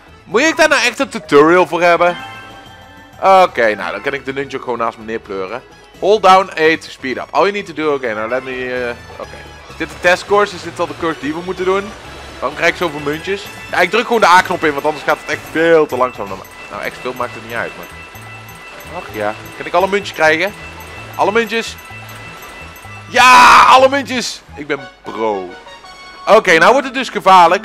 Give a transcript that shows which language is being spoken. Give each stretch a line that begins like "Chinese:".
Dutch: Moet ik daar nou echt een tutorial voor hebben? Oké, okay, nou, dan kan ik de nunchuk gewoon naast me neerpleuren.
English: Hold down, A to speed up. All you need to do, oké, okay, nou, let me.
Dutch: Oké. Okay. Is dit de testcourse? Is dit al de cursus die we moeten doen? Waarom krijg ik zoveel muntjes? Ja, ik druk gewoon de A-knop in, want anders gaat het echt veel te langzaam. Nou, echt veel maakt het niet uit, maar. Ach ja. Kan ik alle muntjes krijgen? Alle muntjes? Ja, alle muntjes! Ik ben pro. Oké, okay, nou wordt het dus gevaarlijk.